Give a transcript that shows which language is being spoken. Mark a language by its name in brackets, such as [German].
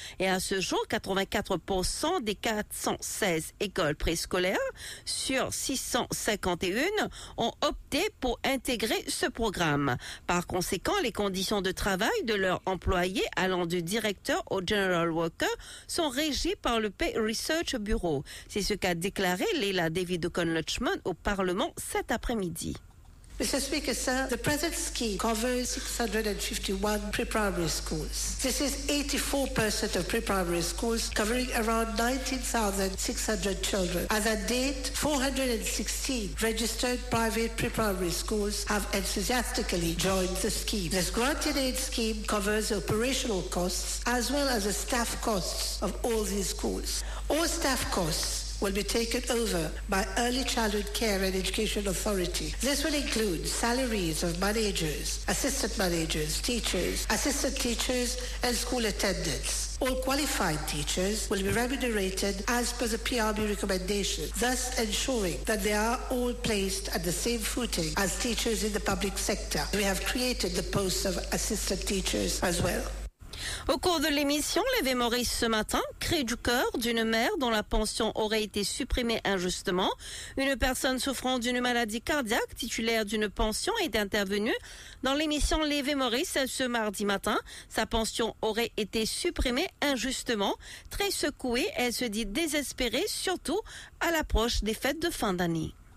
[French] Et à ce jour, 84% des 416 écoles préscolaires sur 651 ont obtenu pour intégrer ce programme. Par conséquent, les conditions de travail de leurs employés allant du directeur au general worker sont régies par le Pay Research Bureau. C'est ce qu'a déclaré Leila David O'Connor-Lutchman au Parlement cet après-midi. [English] Mr. Speaker, sir, the present scheme covers 651 pre-primary schools. This is 84% of pre-primary schools, covering around 19,600 children. As at date, 416 registered private pre-primary schools have enthusiastically joined the scheme. This granted aid scheme covers operational costs as well as the staff costs of all these schools. All staff costs will be taken over by Early Childhood Care and Education Authority. This will include salaries of managers, assistant teachers and school attendants. All qualified teachers will be remunerated as per the PRB recommendation, thus ensuring that they are all placed at the same footing as teachers in the public sector. We have created the posts of assistant teachers as well. [French] Au cours de l'émission, Lévé Maurice ce matin, cri du cœur d'une mère dont la pension aurait été supprimée injustement. Une personne souffrant d'une maladie cardiaque, titulaire d'une pension, est intervenue dans l'émission Lévé Maurice ce mardi matin. Sa pension aurait été supprimée injustement. Très secouée, elle se dit désespérée, surtout à l'approche des fêtes de fin d'année.